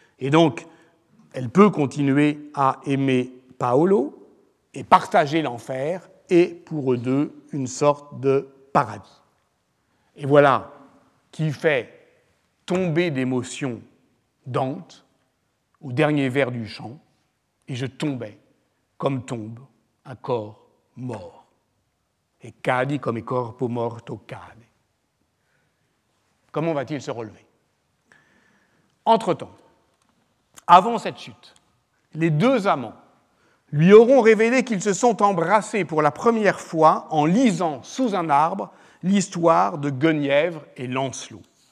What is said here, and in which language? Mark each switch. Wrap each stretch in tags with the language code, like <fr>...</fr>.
<fr>Et donc, elle peut continuer à aimer Paolo et partager l'enfer et pour eux deux une sorte de paradis. Et voilà qui fait tomber d'émotion Dante au dernier vers du chant, et je tombais comme tombe un corps mort.</fr> <it>Et cadi come corpo morto cade.</it> <fr>Comment va-t-il se relever? Entre-temps, avant cette chute, les deux amants lui auront révélé qu'ils se sont embrassés pour la première fois en lisant sous un arbre l'histoire de Guenièvre et Lancelot.</fr>